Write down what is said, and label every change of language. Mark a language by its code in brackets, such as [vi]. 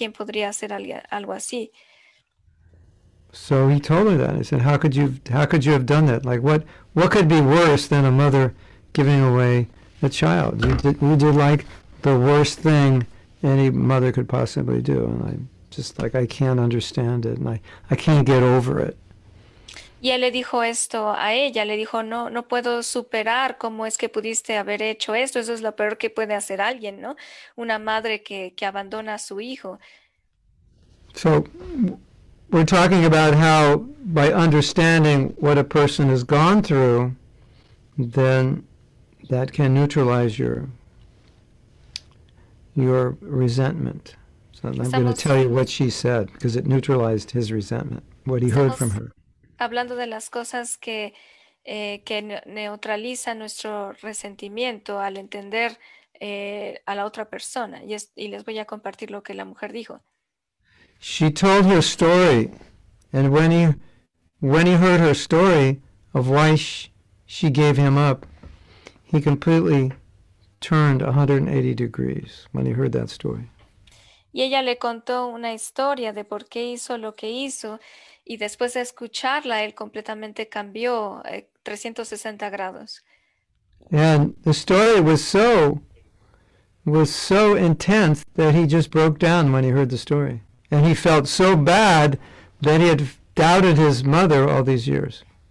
[es] ¿Quién podría hacer algo así? [en] So he told her that. He said, how could you have done that? Like, what could be worse than a mother giving away a child? You did like the worst thing any mother could possibly do. And I just like I can't understand it, and I can't get over it. [es] Y él le dijo esto a ella, le dijo, no, no puedo superar cómo es que pudiste haber hecho esto, eso es lo peor que puede hacer alguien, ¿no? Una madre que abandona a su hijo. [en] So we're talking about how, by understanding what a person has gone through, then that can neutralize your resentment. So I'm going to [es] Estamos [en] tell you what she said, because it neutralized his resentment, what he heard from her. [es] Hablando de las cosas que neutraliza nuestro resentimiento al entender a la otra persona. Y les voy a compartir lo que la mujer dijo. [en] She told her story, and when he heard her story of why she gave him up, he completely turned 180 degrees when he heard that story. [es] Y ella le contó una historia de por qué hizo lo que hizo, y después de escucharla, él completamente cambió 360 grados. [en] And the story was so was so intense that he just broke down when he heard the story. And he felt so bad that he had doubted his mother all these years.